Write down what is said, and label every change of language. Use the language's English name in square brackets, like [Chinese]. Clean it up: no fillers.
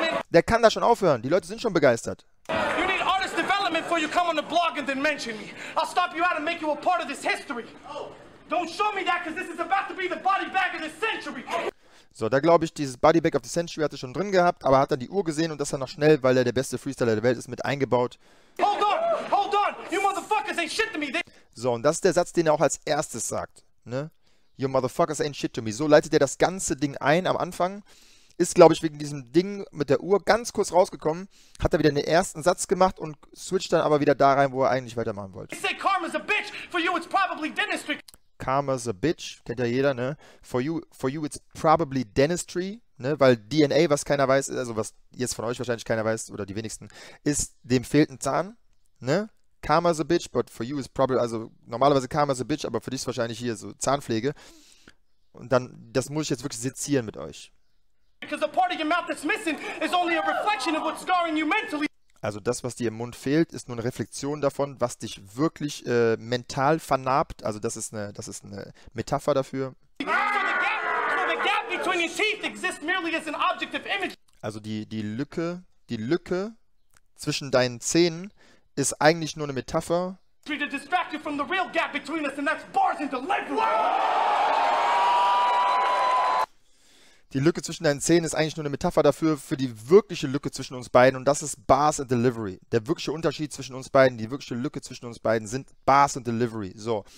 [German] Der kann da schon aufhören. Die Leute sind schon begeistert. [English] You need artist development before you come on the blog and then mention me. I'll stop you out and make you a part of this history. Don't show me that, because this is about to be the body bag of the century. [German] So, da glaube ich, dieses [English] body bag of the century [German] hatte schon drin gehabt, aber hat dann die Uhr gesehen und das dann noch schnell, weil er der beste Freestyler der Welt ist, mit eingebaut. [English] Hold on, hold on. You motherfuckers ain't shit to me. [German] So, und das ist der Satz, den er auch als erstes sagt. Ne? [English] You motherfuckers ain't shit to me. [German] So leitet er das ganze Ding ein am Anfang. Ist, glaube ich, wegen diesem Ding mit der Uhr ganz kurz rausgekommen, hat er wieder den ersten Satz gemacht und switcht dann aber wieder da rein, wo er eigentlich weitermachen wollte. [English] Karma's a bitch. For you, it's probably dentistry. Karma's a bitch, [German] kennt ja jeder, ne? [English] For you, it's probably dentistry, ne? [German] Weil DNA, was keiner weiß, also was jetzt von euch wahrscheinlich keiner weiß, oder die wenigsten, ist, dem fehlt ein Zahn, ne? [English] Karma's a bitch, but for you, it's probably, [German] also normalerweise [English] Karma's a bitch, [German] aber für dich ist wahrscheinlich hier so Zahnpflege. Und dann, das muss ich jetzt wirklich sezieren mit euch. [English] Because the part of your mouth that's missing is only a reflection of what's scarring you mentally. [German] Also das, was dir im Mund fehlt, ist nur eine Reflexion davon, was dich wirklich mental vernarbt. Also das ist eine Metapher dafür. [English] So the gap between your teeth exists merely as an object of image. [German] Also die Lücke zwischen deinen Zähnen ist eigentlich nur eine Metapher. [English] To distract you from the real gap between us, and that's bars and delivery. [German] Die Lücke zwischen deinen Zähnen ist eigentlich nur eine Metapher dafür, für die wirkliche Lücke zwischen uns beiden, und das ist Bars and Delivery. Der wirkliche Unterschied zwischen uns beiden, die wirkliche Lücke zwischen uns beiden sind Bars and Delivery. So.